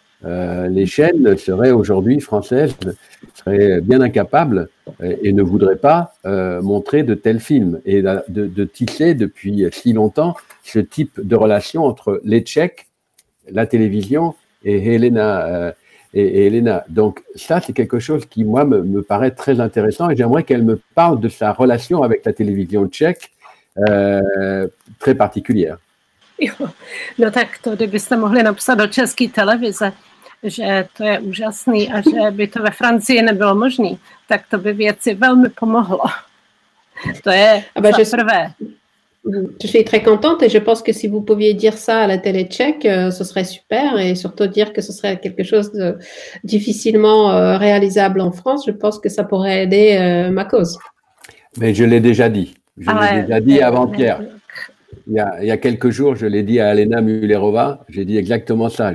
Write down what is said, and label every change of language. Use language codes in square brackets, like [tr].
[fr] Les chaînes seraient aujourd'hui françaises, seraient bien incapables et ne voudraient pas montrer de tels films et de tisser depuis si longtemps ce type de relation entre les Tchèques, la télévision et Elena. Donc ça, c'est quelque chose qui, moi, me paraît très intéressant et j'aimerais qu'elle me parle de sa relation avec la télévision tchèque très particulière. [cs] No tak, to kdybyste mohli napsat do české televize, že to je úžasný a že by to ve Francii nebylo možný, tak to by věci velmi pomohlo. To je za prvé. [fr] Je suis très contente et je pense que si vous pouviez dire ça à la télé tchèque, ce serait super et surtout dire que ce serait quelque chose de difficilement réalisable en France, je pense que ça pourrait aider ma cause. Mais je l'ai déjà dit. Je l'ai déjà dit avant-hier. Il y a quelques jours, je l'ai dit à Elena Mulerova, j'ai dit exactement ça.